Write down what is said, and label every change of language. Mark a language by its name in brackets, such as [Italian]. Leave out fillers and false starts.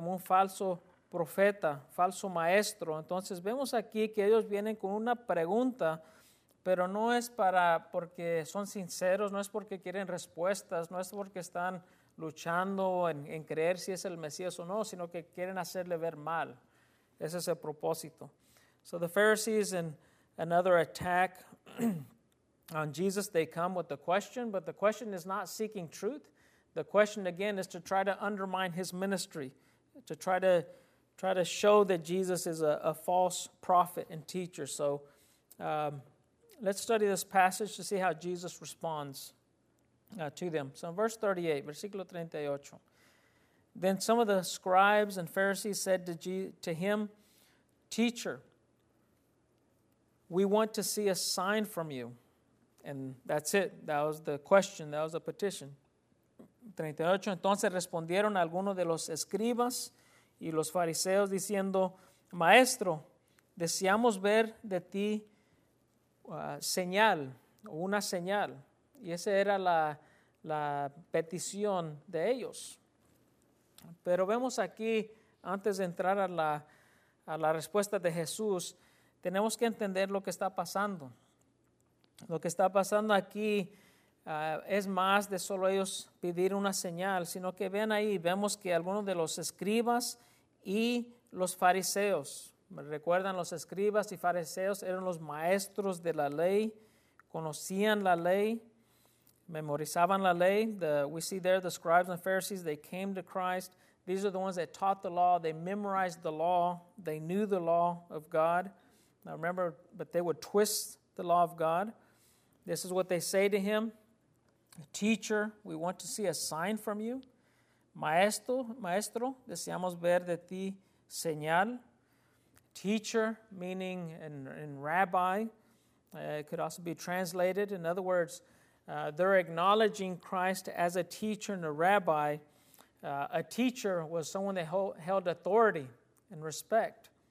[Spanish] Como un falso profeta, falso maestro. Entonces vemos aquí que ellos vienen con una pregunta, pero no es porque son sinceros, no es porque quieren respuestas, no es porque están luchando en creer si es el Mesías o no, sino que quieren hacerle ver mal. Ese es el propósito. [English] So the Pharisees in another attack on Jesus, they come with the question, but the question is not seeking truth. The question again is to try to undermine his ministry, to try to show that Jesus is a false prophet and teacher. So let's study this passage to see how Jesus responds to them. So in verse 38, [Spanish] versículo 38, [English] then some of the scribes and Pharisees said to him, "Teacher, we want to see a sign from you." And that's it. That was the question. That was the petition. 38. [Spanish] Entonces respondieron algunos de los escribas y los fariseos diciendo, "Maestro, deseamos ver de ti señal, una señal." Y esa era la petición de ellos. Pero vemos aquí, antes de entrar a la respuesta de Jesús, tenemos que entender lo que está pasando. Lo que está pasando aquí es más de solo ellos pedir una señal, sino que ven ahí, vemos que algunos de los escribas y los fariseos, recuerdan, los escribas y fariseos eran los maestros de la ley, conocían la ley, memorizaban la ley. [English] We see there the scribes and Pharisees, they came to Christ. These are the ones that taught the law. They memorized the law. They knew the law of God. Now remember, but they would twist the law of God. This is what they say to him. Teacher, we want to see a sign from you. [Spanish] Maestro, deseamos ver de ti señal. [English] Teacher, meaning in rabbi, it could also be translated. In other words, they're acknowledging Christ as a teacher and a rabbi. A teacher was someone that held authority and respect.